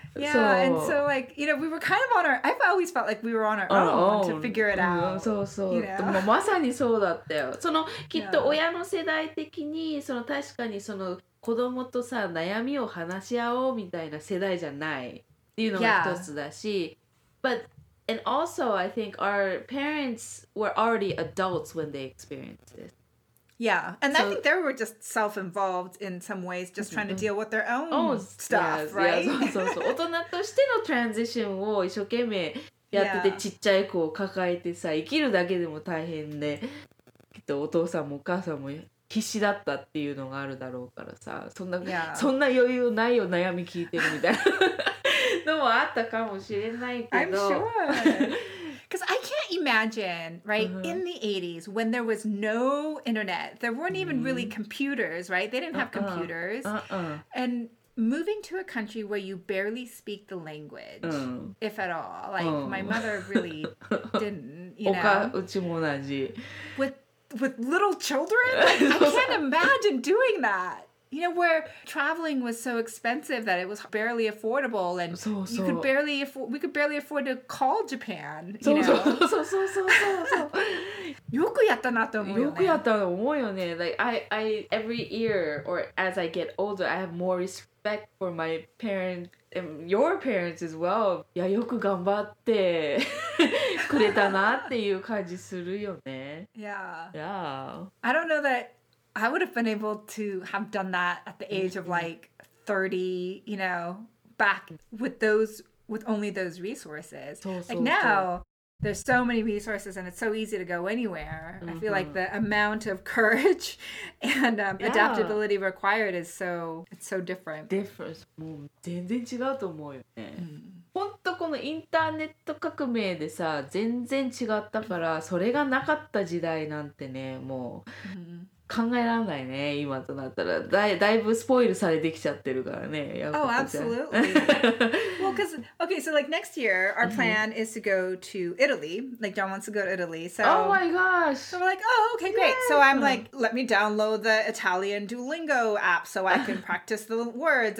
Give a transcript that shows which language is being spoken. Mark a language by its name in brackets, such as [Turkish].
[English] Yeah, and so like, you know, we were kind of on our, I've always felt like we were on our own to figure it out. [Japanese] まさにそうだったよ。そのきっと親の世代的に、その確かにその子供とさ、悩みを話し合おうみたいな世代じゃないっていうのが一つだし。 [English] But... And also, I think our parents were already adults when they experienced this. Yeah, and so, I think they were just self-involved in some ways, just trying to deal with their own stuff, right? [Japanese] そう。大人としてのトランジションを一生懸命やってて、ちっちゃい子を抱えてさ、生きるだけでも大変で、きっとお父さんもお母さんも必死だったっていうのがあるだろうからさ、そんな余裕ないよ、悩み聞いてるみたいな。 [English] I'm sure. Because I can't imagine, right, in the 80s, when there was no internet, there weren't even really computers, right? They didn't have computers. And moving to a country where you barely speak the language, if at all, like, my mother really didn't, you know. [Japanese] うちも同じ。 [English] With little children? Like, I can't imagine doing that. You know, where traveling was so expensive that it was barely affordable and [Japanese] そうそう [English] we could barely afford to call Japan, you know? [Japanese] そうそうそうそうそう。よくやったなと思うよね。よくやったと思うよね。 [English] Like, I, every year, or as I get older, I have more respect for my parents and your parents as well. [Japanese] いや、よく頑張ってくれたなっていう感じするよね。 [English] Yeah. Yeah. I don't know that... I would have been able to have done that at the age of like 30, you know, back with only those resources. Like now, there's so many resources and it's so easy to go anywhere. I feel like the amount of courage and adaptability required is so, it's so different. Different. [Japanese] もう全然違うと思うよね。本当このインターネット革命でさ、全然違ったから、それがなかった時代なんてね、もう。考えられないね、今となったら。だいぶスポイルされてきちゃってるからね。 [English] Oh, absolutely. Well, because, okay, so like next year, our plan is to go to Italy. Like, John wants to go to Italy, so... Oh my gosh! So we're like, oh, okay, great. Yay! So I'm like, let me download the Italian Duolingo app so I can practice the words.